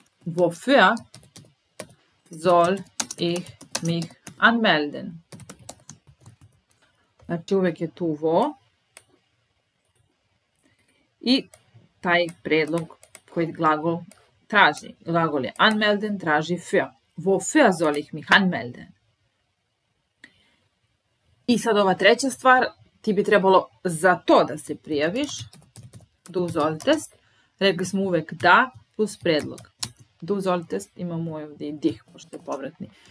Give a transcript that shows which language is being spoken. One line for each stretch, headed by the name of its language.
German: Wofür soll ich mich anmelden?
Serbian: Znači uvek je tu vo i taj predlog koji glagol traži. Glagol je anmelden, traži für.
German: Wofür soll ich mich anmelden?
Serbian: I sad ova treća stvar, ti bi trebalo za to da se prijaviš.
German: Du solltest,
Serbian: rekli smo uvek da plus predlog.
German: Du solltest,
Serbian: imamo ovdje i dich, pošto je povratni.